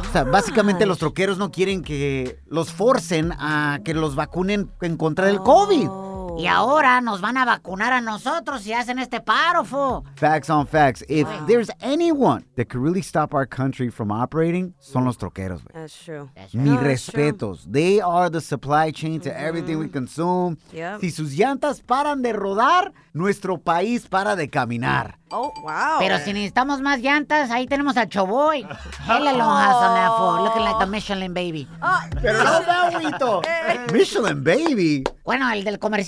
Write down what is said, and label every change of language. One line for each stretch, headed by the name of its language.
Spanish: O sea, básicamente los troqueros no quieren que los forcen a que los vacunen en contra del COVID. Y ahora nos van a vacunar a nosotros si hacen este paro, fo.
English: Facts on facts. If there's anyone that could really stop our country from operating,
Spanish: son los troqueros,
English: wey. That's true.
Spanish: Mis respetos. True.
English: They are the supply chain to everything we consume. Yep.
Spanish: Si sus llantas paran de rodar, nuestro país para de caminar.
English: Oh, wow.
Spanish: Pero si necesitamos más llantas, ahí tenemos al Choboy.
English: Hella long has on that, fo. Looking like a Michelin baby.
Spanish: Pero no da, güito. Michelin baby. Bueno, el del comercial.